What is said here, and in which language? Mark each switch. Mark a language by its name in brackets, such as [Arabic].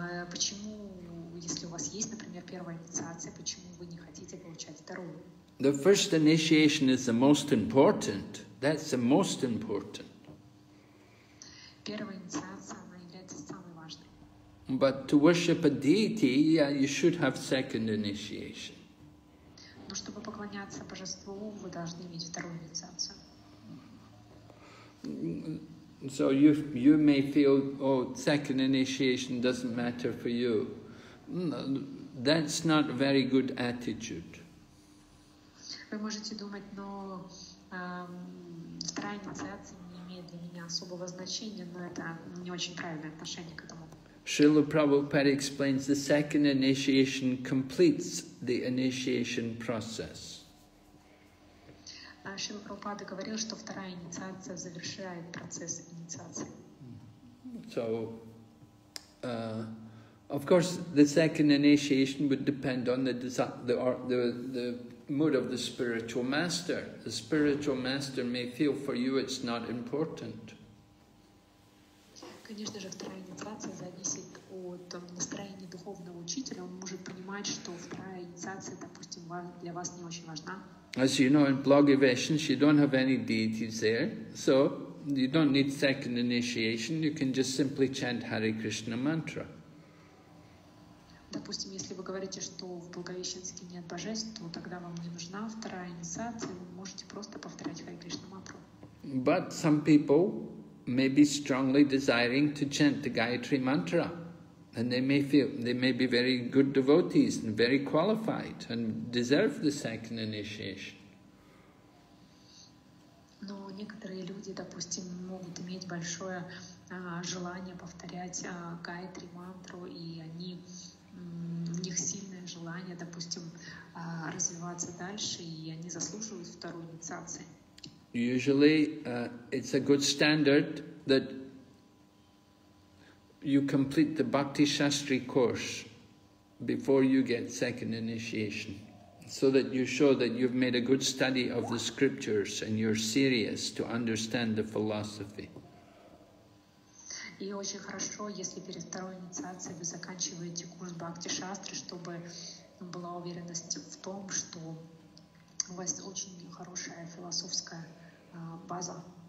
[Russian] Почему, если у вас есть, например, первая инициация, почему вы не хотите получать вторую? [English] The first initiation is the most important. That's the most important. [Russian] Первая инициация, она является самой важной. [English] But to worship a deity, yeah, you should have second initiation. [Russian] Чтобы поклоняться божеству, вы должны иметь вторую инициацию. [English] So you may feel, oh, second initiation doesn't matter for you. That's not a very good attitude. [Russian] Вы можете думать, но вторая инициация не имеет для меня особого значения, но это не очень правильное отношение к этому. [English] Srila Prabhupada explains the second initiation completes the initiation process. [Russian] Srila Prabhupada говорил, что вторая инициация завершает процесс инициации. [English] So, of course, the second initiation would depend on the mood of the spiritual master. The spiritual master may feel for you it's not important. [Russian] Конечно же, вторая инициация зависит от настроения духовного учителя. Он может понимать, что вторая инициация, допустим, для вас не очень важна. [English] As you know, in Blagaveshans, you don't have any deities there, so you don't need second initiation, you can just simply chant Hare Krishna mantra. [Russian] Допустим, если вы говорите, что в Благовещенске нет божеств, то тогда вам не нужна вторая инициация, вы можете просто повторять Hare Krishna mantra. [English] But some people may be strongly desiring to chant the Gayatri Mantra, and they may be very good devotees and very qualified and deserve the second initiation. [Russian] Но некоторые люди, допустим, могут иметь большое желание повторять Гайатри Мантру, и они у них сильное желание, допустим, развиваться дальше, и они заслуживают вторую инициацию. [English] Usually, it's a good standard that you complete the Bhakti Shastri course before you get second initiation, so that you show that you've made a good study of the scriptures and you're serious to understand the philosophy. [Russian] И очень хорошо, если перед второй инициацией вы заканчиваете курс Бхакти Шастри, чтобы была уверенность в том, что у вас очень хорошая философская база.